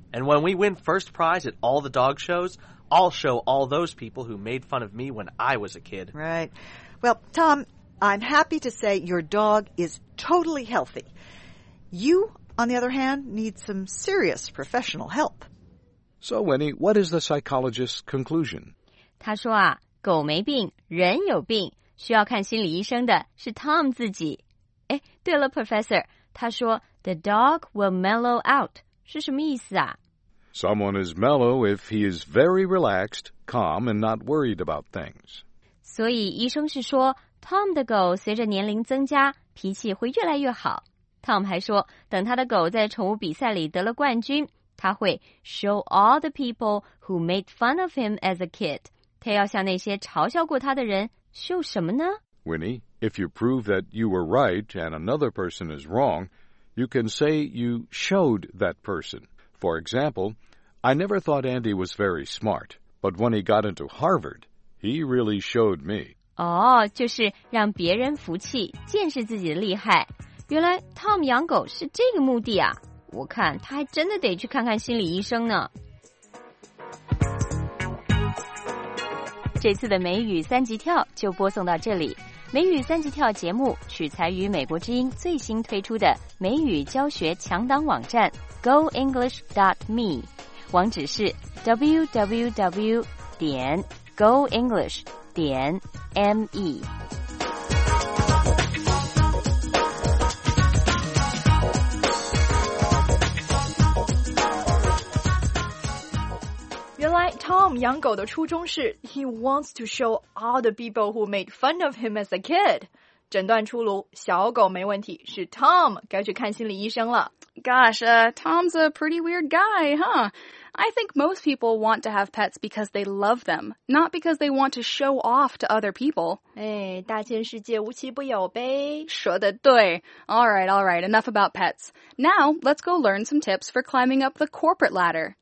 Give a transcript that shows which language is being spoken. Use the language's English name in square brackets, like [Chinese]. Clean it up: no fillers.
[English] And when we win first prize at all the dog shows, I'll show all those people who made fun of me when I was a kid. Right. Well, Tom, I'm happy to say your dog is totally healthy. You, on the other hand, need some serious professional help. So, Winnie, what is the psychologist's conclusion? [Chinese] 他说啊，狗没病，人有病，需要看心理医生的是 Tom 自己。哎，对了 ，Professor， 他说 [English] the dog will mellow out. [Chinese] 是什么意思啊？ [English] Someone is mellow if he is very relaxed, calm, and not worried about things. [Chinese] 所以医生是说 ,Tom 的狗随着年龄增加脾气会越来越好。 Tom 还说等他的狗在宠物比赛里得了冠军他会 [English] show all the people who made fun of him as a kid. [Chinese] 他要向那些嘲笑过他的人 show 什么呢 [English] ?Winnie, if you prove that you were right and another person is wrong, you can say you showed that person. For example, I never thought Andy was very smart, but when he got into Harvard, he really showed me. [Chinese] 就是让别人服气见识自己的厉害。原来 Tom 养狗是这个目的啊我看他还真的得去看看心理医生呢这次的美语三级跳就播送到这里美语三级跳节目取材于美国之音最新推出的美语教学强档网站 goenglish.me 网址是 www.goenglish.me [English] Tom [Chinese] 养狗的初衷是 [English] He wants to show all the people who made fun of him as a kid. [Chinese] 诊断出炉，小狗没问题，是 Tom 该去看心理医生了。 [English] Gosh, Tom's a pretty weird guy, huh? I think most people want to have pets because they love them, not because they want to show off to other people. [Chinese] 大千世界无奇不有呗。说得对。 [English] All right, enough about pets. Now, let's go learn some tips for climbing up the corporate ladder.